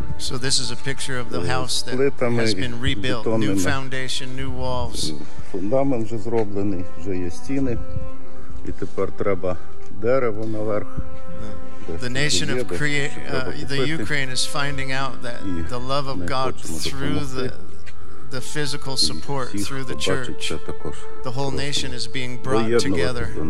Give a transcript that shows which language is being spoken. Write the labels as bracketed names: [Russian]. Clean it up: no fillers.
[English] So this is a picture of the house that has been rebuilt. New foundation, new walls. [Ukrainian] Фундамент вже зроблений, вже є стіни. І тепер треба дерево наверх. [English] The nation of the Ukraine is finding out that the love of God through the physical support, through the church, the whole nation is being brought together.